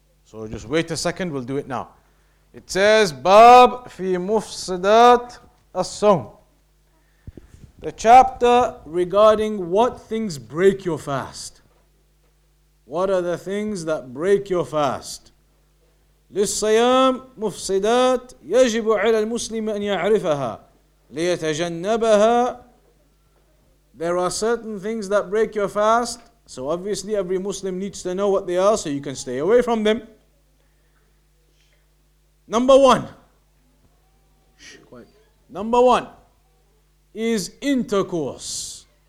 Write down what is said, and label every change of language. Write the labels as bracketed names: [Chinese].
[English] So just wait a second, we'll do it now. It says, Bab fi mufsidat as-sawm. The chapter regarding what things break your fast. What are the things that break your fast? [Arabic] للصيام مفسدات يجب على المسلم أن يعرفها ليتجنبها. [English] There are certain things that break your fast, so obviously every Muslim needs to know what they are so you can stay away from them. Number one. Number one is intercourse.